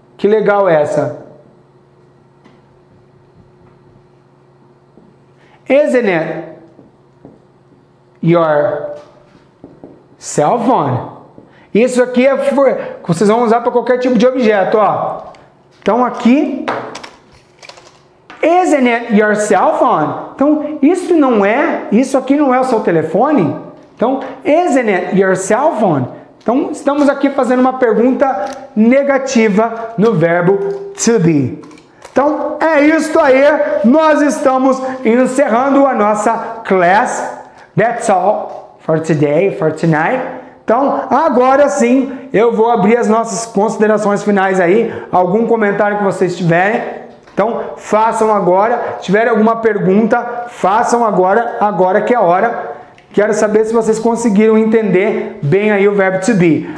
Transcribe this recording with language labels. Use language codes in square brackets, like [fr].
[pt] Que legal essa. [en] Isn't it? Your cell phone. [pt] Isso aqui é vocês vão usar para qualquer tipo de objeto, ó. Então aqui, [en] isn't it your cell phone? [pt] Então isso não é, isso aqui não é o seu telefone? Então [en] isn't it your cell phone? [pt] Então estamos aqui fazendo uma pergunta negativa no verbo to be. Então é isso aí. Nós estamos encerrando a nossa class. [en] That's all for today, for tonight. [pt] Então, agora sim, eu vou abrir as nossas considerações finais aí. Algum comentário que vocês tiverem. Então, façam agora. Se tiverem alguma pergunta, façam agora. Agora que é a hora. Quero saber se vocês conseguiram entender bem aí o verbo to be.